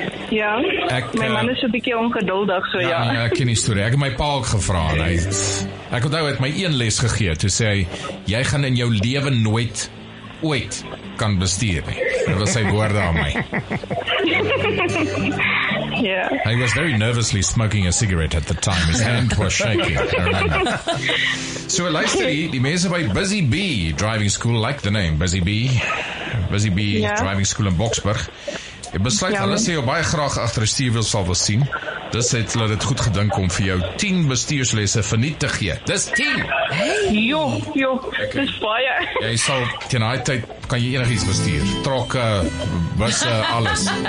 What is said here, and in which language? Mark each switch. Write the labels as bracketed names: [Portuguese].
[Afrikaans] Ja, my man is so bietjie ongeduldig, so ja. Ek ken die story, ek het my pa ook gevra, ek onthou het my een les gegee, toe sê hy, jy gaan in jou lewe nooit ooit kan bestuur, nie. Dit was sy woorde aan my. [English] Yeah. He was very nervously smoking a cigarette at the time. His hand was shaking. [Afrikaans] So, luister hier, die mense by Busy Bee Driving School, [English] like the name, [Afrikaans] Busy Bee. Busy Bee Driving School in Boksburg. Ek besluit, hulle sê jou baie graag achter die stuurwiel sal wil sien. Dis het hulle dit goed gedink om vir jou 10 bestuurslesse verniet te gee. Dis 10! Hey. Jo, okay. Dis baie. Jy sal, ten die tyd, kan jy enig iets bestuur. Trokke, busse, alles.